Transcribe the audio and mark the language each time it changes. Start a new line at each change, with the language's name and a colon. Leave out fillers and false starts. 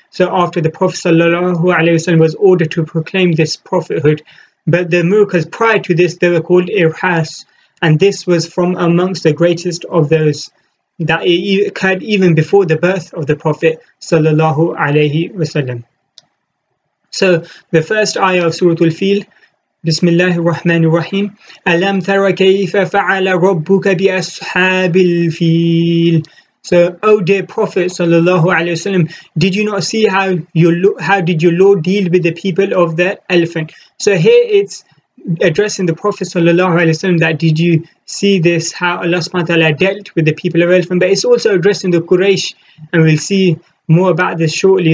English: So after the Prophet sallallahu alaihi wasallam was ordered to proclaim this prophethood. But the miracles prior to this, they were called irhas, and this was from amongst the greatest of those that it occurred even before the birth of the Prophet sallallahu alaihi wasallam. So the first ayah of Surah Al-Fil,
Arabic: بسم الله الرحمن الرحيم ألم تر كيف فعل ربك بأصحاب الفيل.
English: So, O dear Prophet sallallahu alaihi wasallam, did you not see how did your Lord deal with the people of the elephant? So here it's addressing the Prophet sallallahu alaihi wasallam, that did you see this, how Allah subhanahu wa ta'ala dealt with the people of elephant? But it's also addressing the Quraysh, and we'll see more about this shortly.